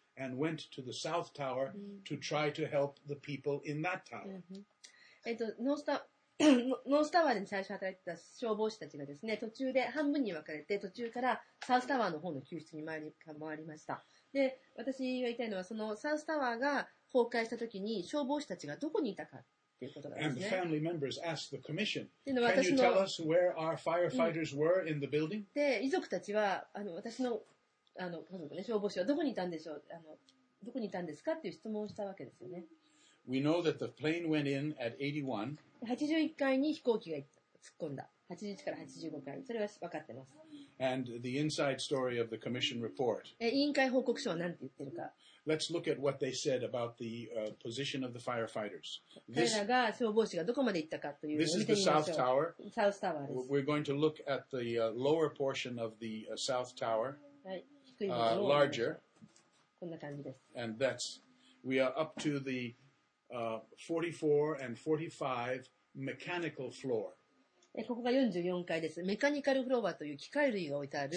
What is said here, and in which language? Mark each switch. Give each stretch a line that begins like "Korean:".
English: And went to the South Tower to try to help the people in that tower.
Japanese: North Tower に最初働いてた消防士たちがですね、途中で半分に分かれて、途中からサウスタワーの方の救出に回りました。で、私が言いたいのは、そのサウスタワーが崩壊した時に消防士たちがどこにいたかっていうことですね。
English: And the family members asked the commission, "Can you tell us where our firefighters were in the building?"
Japanese: で、遺族たちは私の家族ね、消防士はどこにいたんでしょう、どこにいたんですかっていう質問をしたわけですよね。
English: We know that the plane went in at 81.
Japanese: 81階に飛行機が突っ込んだ。 81から85階。それは分かってます。
English: And the inside story of the commission report.
Japanese: 委員会報告書は何て言ってるか。
English: Let's look at what they said about the position of the firefighters.
Japanese: 彼らが消防士がどこまで行ったかというのを見てみましょう。
English: This is the South Tower.
Japanese: South Tower です。
English: We're going to look at the lower portion of the South Tower.
Japanese: はい。
English: Larger.
Japanese: こんな感じです。
English: And that's, we are up to the 44 and 45 mechanical floor.
Japanese: ここが44階です。メカニカルフロアという機械類が置いてある。